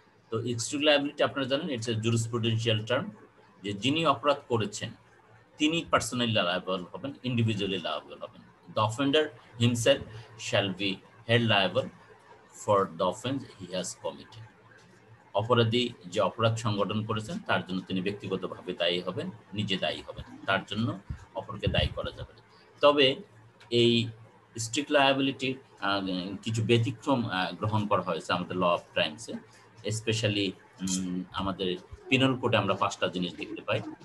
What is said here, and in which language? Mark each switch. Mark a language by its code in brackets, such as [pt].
[bn] তো strict liability আপনারা জানেন [en] it's a jurisprudential term, [bn] যে যিনি অপরাধ করেছেন তিনি পার্সোনালি লায়াবল হবেন, ইন্ডিভিজুয়ালি লায়াবল হবেন। [en] The offender himself shall be held liable for the offense he has committed. [bn] অপরাধী যে অপরাধ সংগঠন করেছেন তার জন্য তিনি ব্যক্তিগতভাবে দায়ী হবেন, নিজে দায়ী হবেন, তার জন্য অপরকে দায়ী করা যাবে। তবে এই স্ট্রিক্ট লায়াবিলিটি কিছু ব্যতিক্রম গ্রহণ করা হয়েছে আমাদের ল অফ ক্রাইমসে, স্পেশালি আমাদের পিনাল কোডে আমরা পাঁচটা জিনিস দেখতে পাই।